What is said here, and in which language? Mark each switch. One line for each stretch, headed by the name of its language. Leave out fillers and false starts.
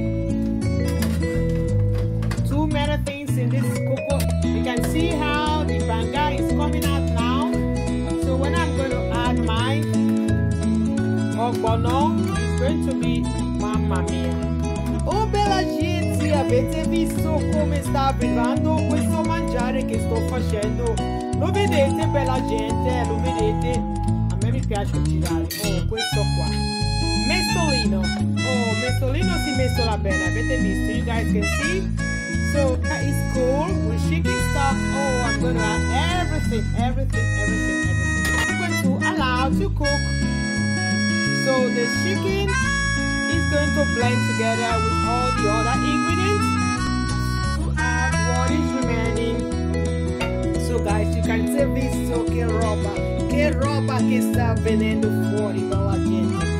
English: Too many things in this cooker. You can see how the banga is coming out now. So when I'm going to add my ogbono, it's going to be mamma mia.
Italian: Oh bella gente, avete visto come sta arrivando questo mangiare che sto facendo? Lo vedete bella gente, lo vedete? A me mi piace girare. Oh, questo qua. Mestolino. Oh, mestolino si mestola bene, avete visto?
English: You guys can see? So, that is cool. We're shaking stuff. Oh, I'm gonna add everything. I'm going to allow to cook. So, the chicken is going to blend together with all the other ingredients to add what is remaining. So guys, you can see this.
Italian: So che roba che sta venendo fuori dalla gente.